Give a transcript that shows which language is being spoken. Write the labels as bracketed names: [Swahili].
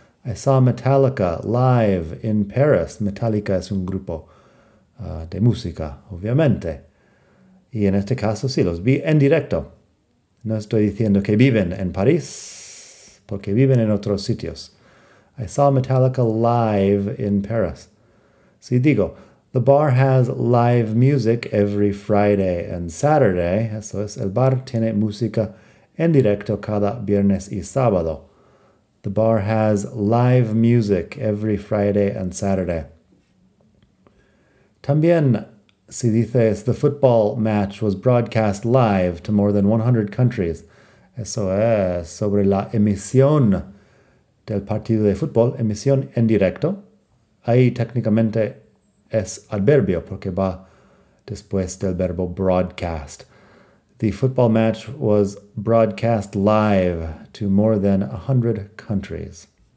[English] I saw Metallica live in Paris. [Spanish] Metallica es un grupo de música, obviamente. Y en este caso, sí, los vi en directo. No estoy diciendo que viven en París, porque viven en otros sitios. [English] I saw Metallica live in Paris. [Spanish] Si digo, [English] the bar has live music every Friday and Saturday. [Spanish] Eso es, el bar tiene música en directo cada viernes y sábado. [English] The bar has live music every Friday and Saturday. [Spanish] También, si dices, [English] the football match was broadcast live to more than 100 countries. [Spanish] Eso es, sobre la emisión del partido de fútbol, emisión en directo. Ahí técnicamente es adverbio porque va después del verbo broadcast. [English] The football match was broadcast live to more than 100 countries.